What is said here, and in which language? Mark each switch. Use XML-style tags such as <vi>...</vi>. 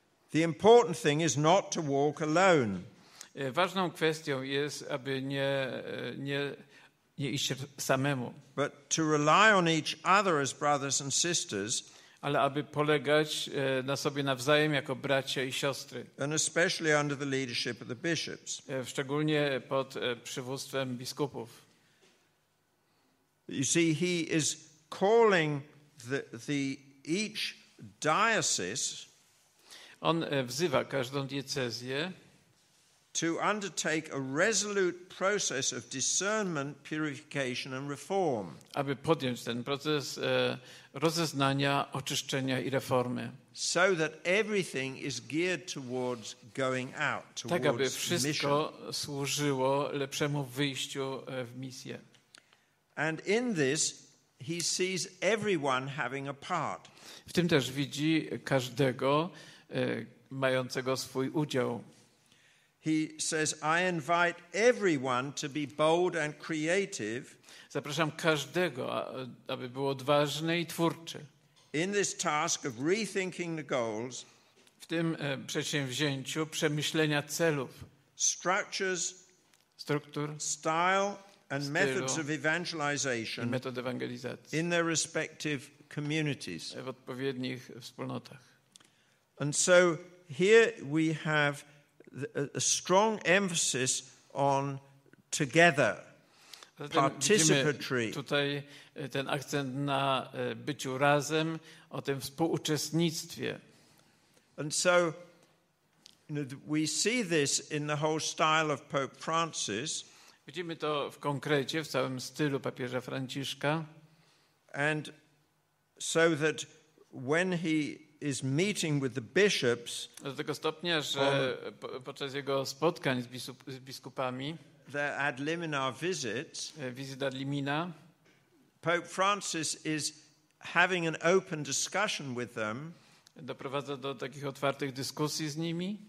<en>The important thing is not to walk alone.</en> <pl>Ważną kwestią jest, aby nie iść samemu.</pl> <en>But to rely on each other as brothers and sisters.</en> <pl>Ale aby polegać na sobie nawzajem jako bracia i siostry.</pl> <en>And especially under the leadership of the bishops.</en> <pl>Szczególnie pod przywództwem biskupów.</pl> <en>You see, he is calling the each diocese.</en> <pl>On wzywa każdą diecezję.</pl> <en>To undertake a resolute process of discernment, purification and reform.</en> <pl>Aby podjąć ten proces rozeznania, oczyszczenia i reformy.</pl> <en>So that everything is geared towards going out, towards mission.</en> <pl>Tak aby wszystko służyło lepszemu wyjściu w misję.</pl> <en>And in this he sees everyone having a part.</en> <pl>W tym też widzi każdego mającego swój udział.</pl> <en>He says, I invite everyone to be bold and creative.</en> <pl>Zapraszam każdego, aby był odważny i twórczy.</pl> <en>In this task of rethinking the goals,</en> <pl>w tym przedsięwzięciu przemyślenia celów,</pl> <en>structures,</en> <pl>struktur,</pl> <en>style and methods of evangelization,</en> <pl>metod ewangelizacji,</pl> <en>in their respective communities,</en> <pl>w odpowiednich wspólnotach.</pl> <en>And so here we have a strong emphasis on together, participatory.</en> <pl>Tutaj ten akcent na byciu razem, o tym współuczestnictwie.</pl> <en>And so we see this in the whole style of Pope Francis.</en> <pl>Widzimy to w konkrecie, w całym stylu papieża Franciszka.</pl> <en>And so that when he is meeting with the bishops.</en> <pl>Do tego stopnia, że podczas jego spotkań z biskupami,</pl> <en>the ad limina visits,</en> <pl>wizyt ad limina,</pl> <en>Pope Francis is having an open discussion with them.</en> <pl>Doprowadza do takich otwartych dyskusji z nimi.</pl>